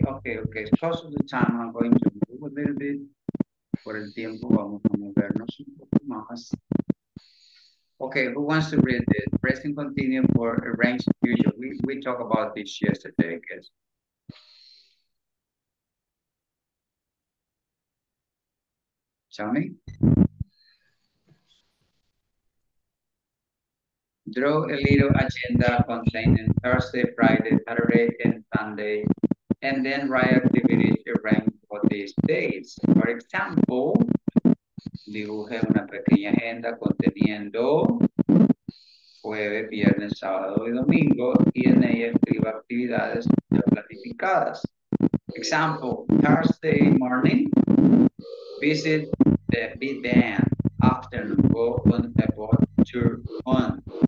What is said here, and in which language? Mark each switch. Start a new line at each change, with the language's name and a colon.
English: Close of the time, I'm going to move a little bit.
Spanish: Por el tiempo, vamos a movernos un poco más.
English: Okay, who wants to read the present continuous for arranged future? We talked about this yesterday, I guess. Tell me. Draw a little agenda containing Thursday, Friday, Saturday, and Sunday, and then write activities arranged for these days. For example,
Spanish: dibuje una pequeña agenda conteniendo jueves, viernes, sábado y domingo, y en ella escriba actividades ya planificadas.
English: Example, Thursday morning, visit the big band, afternoon, go on a boat tour on.